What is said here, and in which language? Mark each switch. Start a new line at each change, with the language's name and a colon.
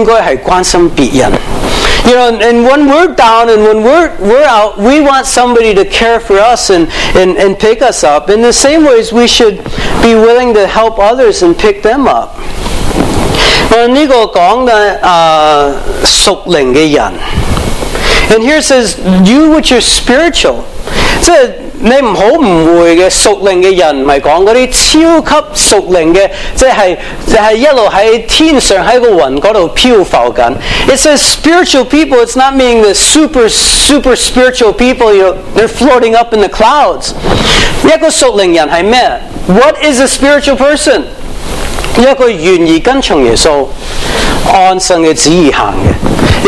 English: You know, and when we're down and when we're out, we want somebody to care for us and pick us up. In the same ways, we should be willing to help others and pick them up.
Cantonese: 这个讲的属灵的人,
English: and here it says, you which are spiritual.
Cantonese: 即是你不要误会的属灵的人,不是说那些超级属灵的,即是一直在天上在云那里飘浮着。
English: It says spiritual people, it's not meaning the super, super spiritual people, you know, they're floating up in the clouds.
Cantonese: 一个属灵人是什么?
English: What is a spiritual person?
Cantonese: 一个愿意跟从耶稣, 按神的旨意行的。